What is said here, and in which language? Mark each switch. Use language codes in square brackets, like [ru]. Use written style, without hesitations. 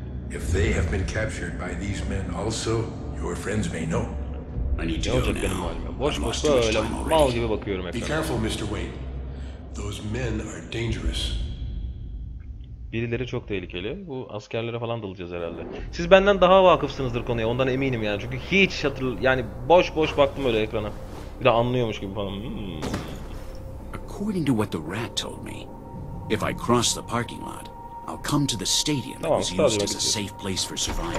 [en] If they have been captured by these men also, your friends may know. I need to go now. [tr] Boş boş böyle mal gibi bakıyorum ekrana. [en] Be careful, Mr. Wayne. Those men are dangerous. [tr] Birileri çok tehlikeli. Bu askerlere falan dalacağız herhalde. Siz benden daha vakıfsınızdır konuya. Ondan eminim yani. Çünkü hiç hatırl... Yani boş boş baktım öyle ekrana. Bir de anlıyormuş gibi falan. [en] According to what the rat told me, if I cross the parking lot, I'll come to the stadium that was used as a safe place for survivors.